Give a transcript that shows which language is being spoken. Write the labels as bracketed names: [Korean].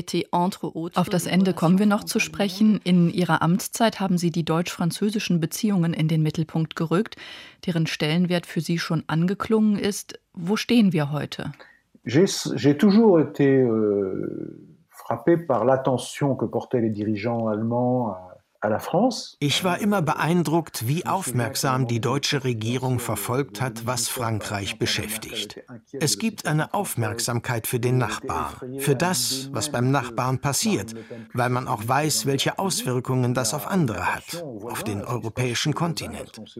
[German] Auf das Ende kommen wir noch zu sprechen. In Ihrer Amtszeit haben Sie die deutsch-französischen Beziehungen in den Mittelpunkt gerückt, deren Stellenwert für Sie schon angeklungen ist. Wo stehen wir heute? [French] J'ai toujours été frappé par l'attention que portaient les dirigeants allemands. [German] Ich war immer beeindruckt, wie aufmerksam die deutsche Regierung verfolgt hat, was Frankreich beschäftigt. Es gibt eine Aufmerksamkeit für den Nachbar, für das, was beim Nachbarn passiert, weil man auch weiß, welche Auswirkungen das auf andere hat, auf den europäischen Kontinent.